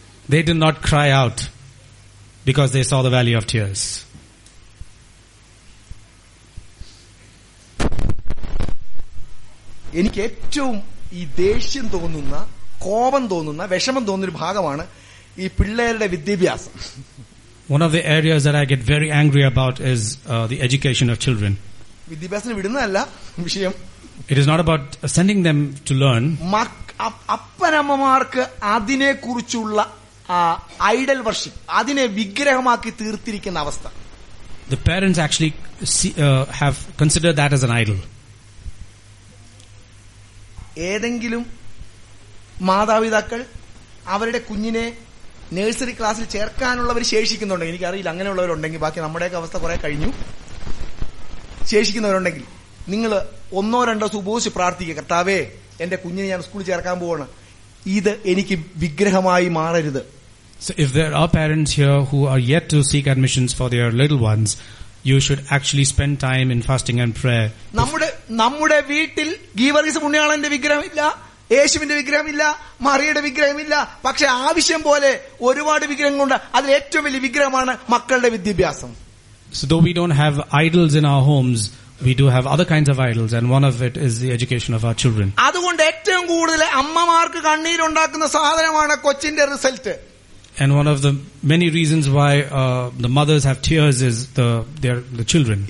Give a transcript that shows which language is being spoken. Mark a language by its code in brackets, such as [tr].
[en] They did not cry out because they saw the value of tears. [ml] എനിക്ക് ഏറ്റവും ഈ ദേഷ്യം തോന്നുന്ന, കോപം തോന്നുന്ന, വിഷമം തോന്നുന്ന ഭാഗമാണ് ഈ പിള്ളേരുടെ വിദ്യാഭ്യാസം. [en] One of the areas that I get very angry about is the education of children. [ml] വിദ്യാഭ്യാസം വിടുന്നതല്ല വിഷയം. [en] It is not about sending them to learn. [ml] അപ്പനമ്മമാർക്ക് അതിനെക്കുറിച്ചുള്ള ഐഡൽ വർഷിപ്പ്, അതിനെ വിഗ്രഹമാക്കി തീർത്തിരിക്കുന്ന അവസ്ഥ. [en] The parents actually have considered that as an idol. [ml] ഏതെങ്കിലും മാതാപിതാക്കൾ അവരുടെ കുഞ്ഞിനെ nursery ക്ലാസ്സിൽ ചേർക്കാനുള്ളവർ ശേഷിക്കുന്നുണ്ടെങ്കിൽ, എനിക്കറിയില്ല അങ്ങനെയുള്ളവരുണ്ടെങ്കിൽ, ബാക്കി നമ്മുടെയൊക്കെ അവസ്ഥ കുറെ കഴിഞ്ഞു, ശേഷിക്കുന്നവരുണ്ടെങ്കിൽ നിങ്ങൾ ഒന്നോ രണ്ടോ സുബോസ് പ്രാർത്ഥിക്കുക, കർത്താവേ എന്റെ കുഞ്ഞിനെ ഞാൻ സ്കൂളിൽ ചേർക്കാൻ പോവാണ്, ഇത് എനിക്ക് വിഗ്രഹമായി മാറരുത്. [en] So if there are parents here who are yet to seek admissions for their little ones, you should actually spend time in fasting and prayer. [ml] നമ്മുടെ വീട്ടിൽ ഗീവർഗീസ് പുണ്യാളന്റെ വിഗ്രഹം ഇല്ല, യേശുവിന്റെ വിഗ്രഹമില്ല, മറിയയുടെ വിഗ്രഹമില്ല, പക്ഷെ ആവശ്യം പോലെ ഒരുപാട് വിഗ്രഹങ്ങളുണ്ട്. അതിൽ ഏറ്റവും വലിയ വിഗ്രഹമാണ് മക്കളുടെ വിദ്യാഭ്യാസം. [en] So though we don't have idols in our homes, we do have other kinds of idols, and one of it is the education of our children. [ml] അതുകൊണ്ട് ഏറ്റവും കൂടുതൽ അമ്മമാർക്ക് കണ്ണീർ ഉണ്ടാക്കുന്ന സാധനമാണ് കൊച്ചിന്റെ result. [en] And one of the many reasons why the mothers have tears is the children.